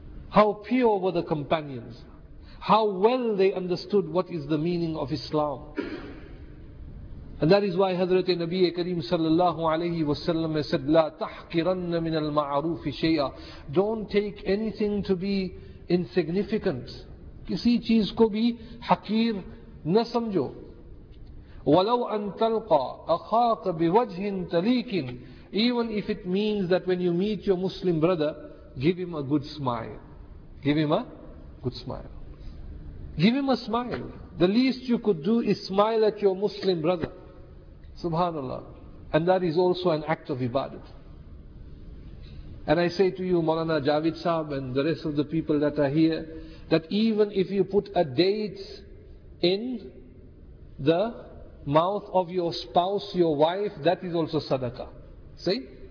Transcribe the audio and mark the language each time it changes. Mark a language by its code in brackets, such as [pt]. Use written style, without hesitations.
[en] How pure were the companions. How well they understood what is the meaning of Islam. And that is why Hazrat Nabi Kareem sallallahu alayhi wa sallam said, [ar] لَا تَحْكِرَنَّ مِنَ الْمَعَرُوفِ شَيْئًا. [en] Don't take anything to be insignificant. [ur] Kisi cheez ko bhi hakir na samjho. [ar] وَلَوْ أَن تَلْقَى أَخَاكَ بِوَجْهٍ تَلِيكٍ. [en] Even if it means that when you meet your Muslim brother, give him a good smile. Give him a good smile. Give him a smile. The least you could do is smile at your Muslim brother. Subhanallah. And that is also an act of ibadat. And I say to you, Maulana Javed Sahib and the rest of the people that are here, that even if you put a date in the mouth of your spouse, your wife, that is also sadaqah. See?